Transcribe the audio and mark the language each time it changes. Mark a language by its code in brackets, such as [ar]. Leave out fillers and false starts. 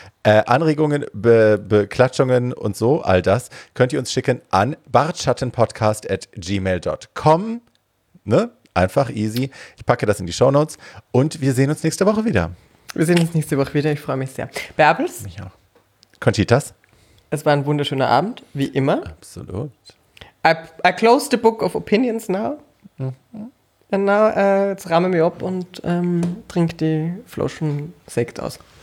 [de] Anregungen, Beklatschungen und so, all das könnt ihr uns schicken an bartschattenpodcast@gmail.com. Ne? Einfach easy. Ich packe das in die Shownotes und wir sehen uns nächste Woche wieder. Wir sehen uns nächste Woche wieder. Ich freue mich sehr. Bärbels? Mich auch. Conchitas? Es war ein wunderschöner Abend, wie immer. Absolut. [en] I close the book of opinions now. [de] Und jetzt rahme mich ab und trink die Flaschen Sekt aus.